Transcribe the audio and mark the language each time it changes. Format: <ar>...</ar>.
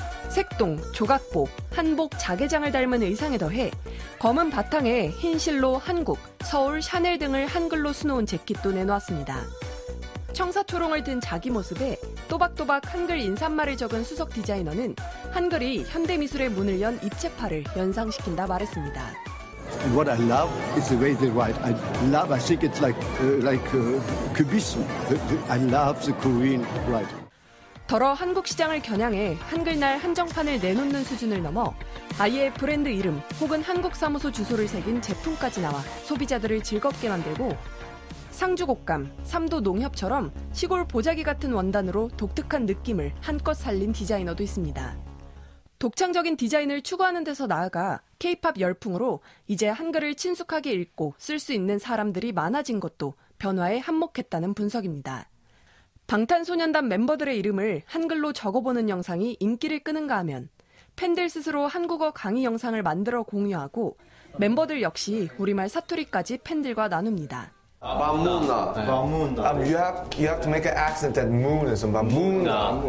<ko>색동, 조각복, 한복 자개장을 닮은 의상에 더해 검은 바탕에 흰 실로 한국, 서울, 샤넬 등을 한글로 수놓은 재킷도 내놓았습니다. 청사초롱을 든 자기 모습에 또박또박 한글 인사말을 적은 수석 디자이너는 한글이 현대미술의 문을 연 입체파를 연상시킨다 말했습니다.</ko> <en>And what I love is the way they write. I love, I think it's like Cubism. I love the Korean writing.</en> <ko>더러 한국 시장을 겨냥해 한글날 한정판을 내놓는 수준을 넘어 아예 브랜드 이름 혹은 한국 사무소 주소를 새긴 제품까지 나와 소비자들을 즐겁게 만들고 상주 곡감, 삼도 농협처럼 시골 보자기 같은 원단으로 독특한 느낌을 한껏 살린 디자이너도 있습니다. 독창적인 디자인을 추구하는 데서 나아가 K-POP 열풍으로 이제 한글을 친숙하게 읽고 쓸 수 있는 사람들이 많아진 것도 변화에 한몫했다는 분석입니다. 방탄소년단 멤버들의 이름을 한글로 적어보는 영상이 인기를 끄는가 하면 팬들 스스로 한국어 강의 영상을 만들어 공유하고 멤버들 역시 우리말 사투리까지 팬들과 나눕니다. 밤문나. 밤문나.</ko> <en>You have to make an accent that moon is</en> <ko>밤문나.</ko>